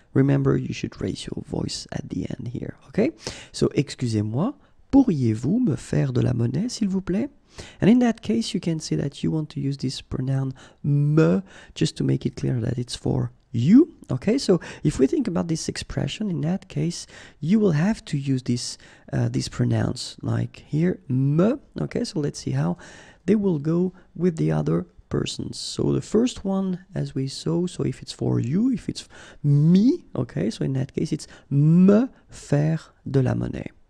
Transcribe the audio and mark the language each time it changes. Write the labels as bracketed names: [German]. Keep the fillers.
[English] Remember, you should raise your voice at the end here, okay? [French] So, excusez-moi, pourriez-vous me faire de la monnaie, s'il vous plaît? [English] And in that case, you can see that you want to use this pronoun me just to make it clear that it's for you, okay? So, if we think about this expression, in that case, you will have to use this, uh, this pronoun like here, me, okay? So, let's see how they will go with the other so the first one, as we saw, so if it's for you, if it's me, okay, so in that case, it's [French] me faire de la monnaie.